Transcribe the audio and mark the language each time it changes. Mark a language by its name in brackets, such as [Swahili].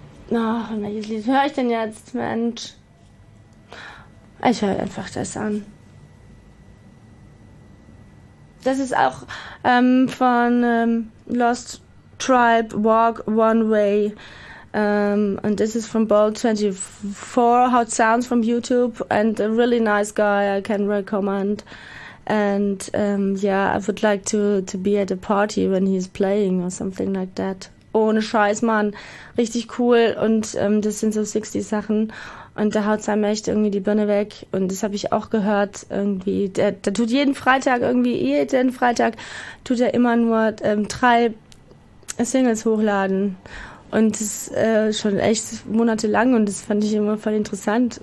[German] Na, welches Lied höre ich denn jetzt, Mensch? Ich höre einfach das an. Das ist auch von Lost Tribe, Walk One Way. [English] And this is from Bolt 24, how it sounds from YouTube. And a really nice guy I can recommend. And I would like to be at a party when he's playing or something like that. [German] Ohne Scheiß, Mann. Richtig cool. Und das sind so 60 Sachen. Und da haut seinem echt irgendwie die Birne weg. Und das habe ich auch gehört. Irgendwie. Der tut jeden Freitag irgendwie, jeden Freitag tut er immer nur 3 Singles hochladen. Und das schon echt monatelang. Und das fand ich immer voll interessant.